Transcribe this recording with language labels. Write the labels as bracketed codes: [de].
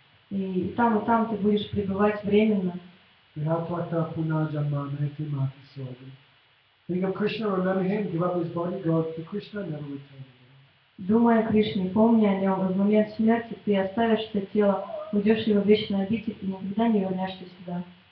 [ru] И там ты будешь пребывать временно. [sa] Vihatvata Puna Jamma Nehti Mati Sodhi. [en] Think of Krishna, remember him, give up his body, go up to Krishna, never return again. [ru] Думай о Кришне, помни о нем, в момент смерти ты оставишь это тело, уйдешь в его вечный обитель и никогда не вернешься сюда.